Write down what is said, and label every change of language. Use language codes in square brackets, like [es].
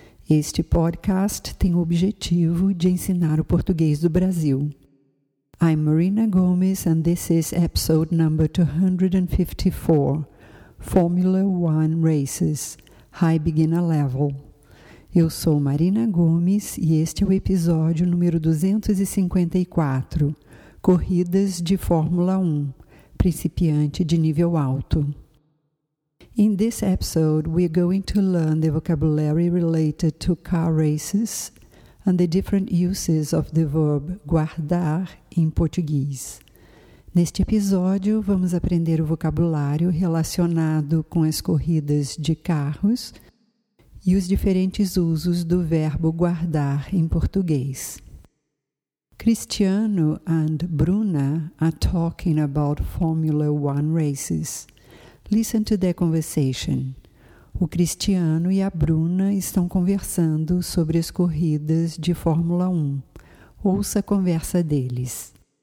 [pt] Este podcast tem o objetivo de ensinar o português do Brasil. [en] I'm Marina Gomes and this is episode number 254, Formula One Races, High Beginner Level. [pt] Eu sou Marina Gomes e este é o episódio número 254, Corridas de Fórmula 1, Principiante de Nível Alto. [en] In this episode, we are going to learn the vocabulary related to car races and the different uses of the verb guardar in Portuguese. [pt] Neste episódio, vamos aprender o vocabulário relacionado com as corridas de carros e os diferentes usos do verbo guardar em português. [en] Cristiano and Bruna are talking about Formula One races. Listen to their conversation. [pt] O Cristiano e a Bruna estão conversando sobre as corridas de Fórmula 1. Ouça a conversa deles.